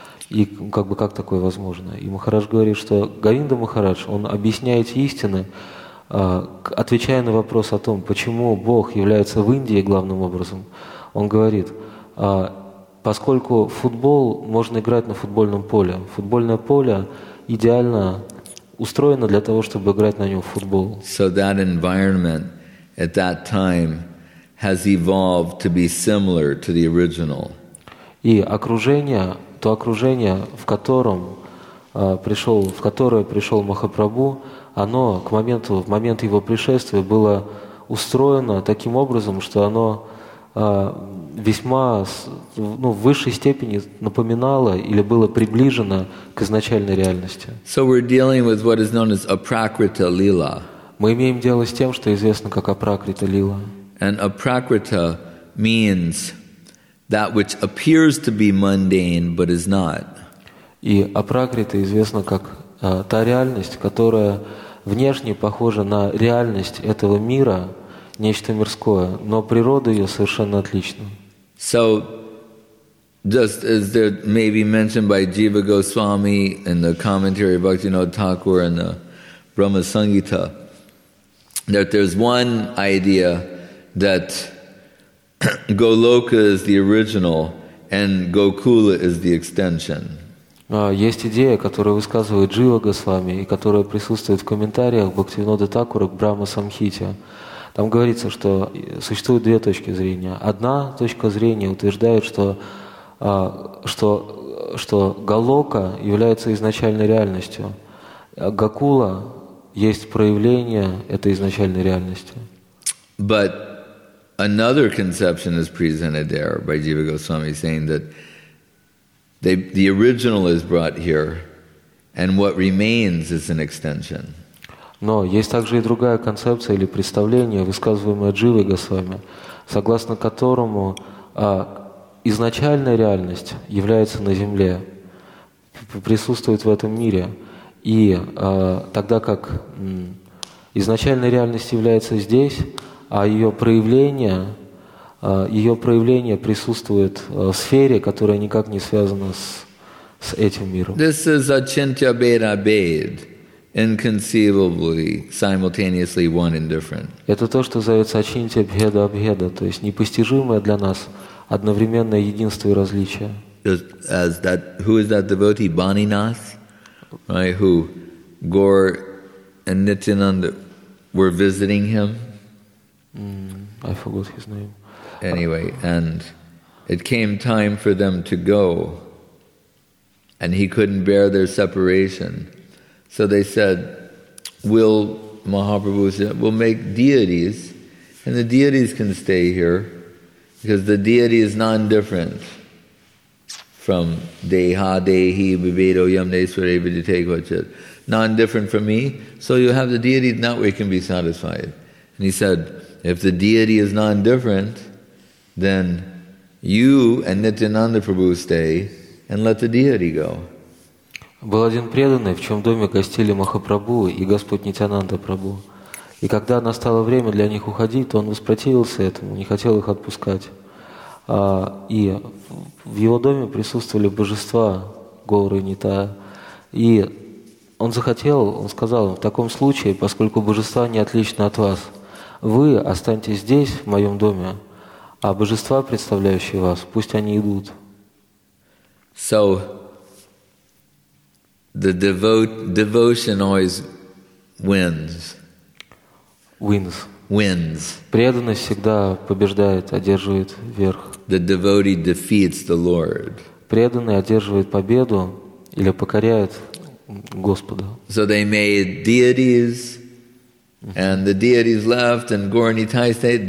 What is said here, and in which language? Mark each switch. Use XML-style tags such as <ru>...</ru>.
<ru>И как бы как такое возможно? И Махарадж говорит, что Говинда Махарадж, он объясняет истины, отвечая на вопрос о том, почему Бог является в Индии главным образом. Он говорит, поскольку футбол можно играть на футбольном поле. Футбольное поле идеально устроено для того, чтобы играть на нем в футбол.</ru> <en>So that environment at that time has evolved to be similar to the original.</en> <ru>И окружение... то окружение, в котором пришел, в которое пришел Махапрабху, оно к моменту, в момент его пришествия было устроено таким образом, что оно весьма ну, в высшей степени напоминало или было приближено к изначальной реальности.</ru> <en>So we're dealing with what is known as Aprakrita Lila.</en> <ru>Мы имеем дело с тем, что известно как Апракрита Лила.</ru> <en>And Aprakrita means that which appears to be mundane but is not.</en> <ru>И апракрита известна как та реальность, которая внешне похожа на реальность этого мира, нечто мирское, но природа ее совершенно отлична.</ru> <en>So, just as there may be mentioned by Jiva Goswami in the commentary of Bhaktivinoda Thakur and the Brahma Sangita, that there's one idea that Goloka is the original and Gokula is the extension.</en> <ru>Есть идея, которую высказывает Джива Госвами и которая присутствует в комментариях Бхактивинода Такура к Брахма Самхите. Там говорится, что существуют две точки зрения. Одна точка зрения утверждает, что Голока является изначальной реальностью. Гокула есть проявление этой изначальной реальности.</ru> <en>But another conception is presented there by Jiva Goswami, saying that the original is brought here, and what remains is an extension.</en> <ru>Но есть также и другая концепция или представление, высказываемое Дживой Госвами, согласно которому изначальная реальность является на земле, присутствует в этом мире, И тогда как изначальная реальность является здесь, а ее проявление присутствует в сфере, которая никак не связана с этим миром.</ru> <en>This is Achintya Bheda Bhed, inconceivably, simultaneously one and different.</en> <ru>Это то, что называется Achintya Bheda Bheda, то есть непостижимое для нас одновременное единство и различие.</ru> <en>As that, who is that devotee, Baninath, right? Who Gaur and Nityananda were visiting him? I forgot his name. Anyway, and it came time for them to go, and he couldn't bear their separation. So they said, "Will Mahaprabhu said, we'll make deities, and the deities can stay here, because the deity is non-different."</en> <sa>From deha dehi vibhedo yam neswara vidite kvachit,</sa> <en>non-different from me. So you have the deity, that way can be satisfied. And he said, if the deity is non-different, then you and Nityananda Prabhu stay and let the deity go.</en> <ru>Был один преданный, в чем доме гостили Махапрабху и Господь Нитянанда Прабху. И когда настало время для них уходить, то он воспротивился этому, не хотел их отпускать. И в его доме присутствовали божества Гоуры и Нитая. И он захотел, он сказал, в таком случае, поскольку божества не отличны от вас, вы останетесь здесь, в моем доме, а божества, представляющие вас, пусть они идут.</ru> <en>So, the devotion always wins. Wins. Wins.</en> <ru>Преданность всегда побеждает, одерживает верх.</ru> <en>The devotee defeats the Lord.</en> <ru>Преданный одерживает победу или покоряет Господа.</ru> <en>So they made deities, and the deities left, and Gaur and Nitai stayed.</en>